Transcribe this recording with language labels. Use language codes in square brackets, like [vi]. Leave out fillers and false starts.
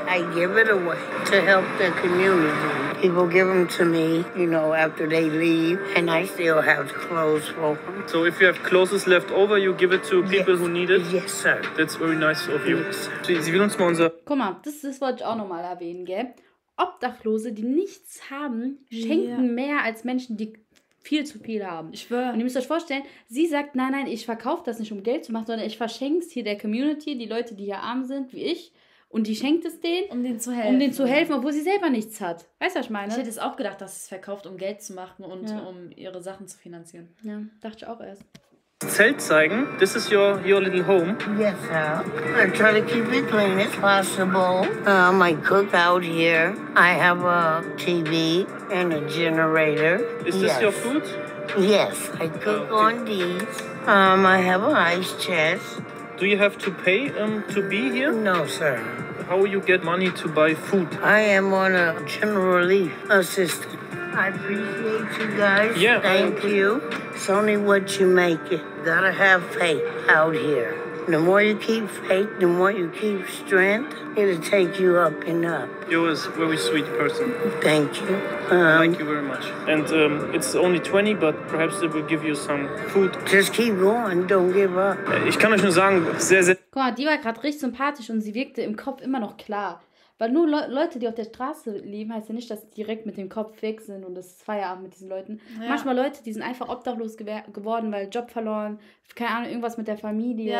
[en] I give it away to help the community. People give them to me, you know, after they leave, and I still have clothes for them. So if you have clothes left over, you give it to people who need it? Yes, sir. That's very nice of you. Yes. [de] Sie will uns mal unser... Guck mal, das wollte ich auch nochmal erwähnen, gell? Obdachlose, die nichts haben, schenken mehr als Menschen, die viel zu viel haben. Ich schwöre. Und ihr müsst euch vorstellen, sie sagt, nein, ich verkaufe das nicht, um Geld zu machen, sondern ich verschenke es hier der Community, die Leute, die hier arm sind, wie ich. Und die schenkt es denen. Um denen zu helfen. Um denen zu helfen, obwohl sie selber nichts hat. Weißt du, was ich meine? Ich hätte es auch gedacht, dass sie es verkauft, um Geld zu machen und um ihre Sachen zu finanzieren. Ja, dachte ich auch erst. Zelt zeigen. [en] This is your little home. Yes, sir. I try to keep it clean as possible. I cook out here. I have a TV and a generator. Is this your food? Yes, I cook on these. I have an ice chest. Do you have to pay to be here? No, sir. How you get money to buy food? I am on a general relief assistance. I appreciate you guys. Yeah. Thank you. It's only what you make it. Gotta have faith out here. The more you keep faith, the more you keep strength, it'll take you up and up. You're a very sweet person. Thank you. Thank you very much. And it's only 20, but perhaps it will give you some food. Just keep going. Don't give up. [de] Ich kann euch nur sagen, sehr, sehr... Guck mal, die war gerade richtig sympathisch und sie wirkte im Kopf immer noch klar. Weil nur Leute, die auf der Straße leben, heißt ja nicht, dass sie direkt mit dem Kopf weg sind und das ist Feierabend mit diesen Leuten. Ja. Manchmal Leute, die sind einfach obdachlos geworden, weil Job verloren, keine Ahnung, irgendwas mit der Familie.